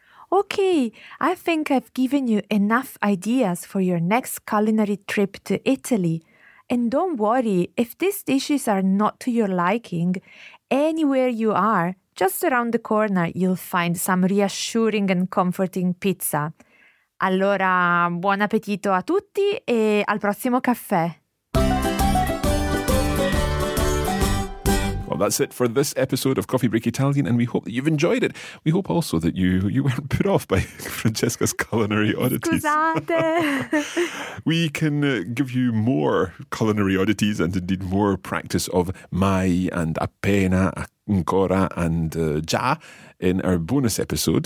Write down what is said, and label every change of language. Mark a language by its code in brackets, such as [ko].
[en] Okay, I think I've given you enough ideas for your next culinary trip to Italy. And don't worry, if these dishes are not to your liking, anywhere you are, just around the corner, you'll find some reassuring and comforting pizza. [it] Allora, buon appetito a tutti e al prossimo caffè! [en] Well, that's it for this episode of Coffee Break Italian, and we hope that you've enjoyed it. We hope also that you weren't put off by Francesca's culinary oddities. [it] Scusate! [en] We can give you more culinary oddities and indeed more practice of mai and appena, ancora and già in our bonus episode.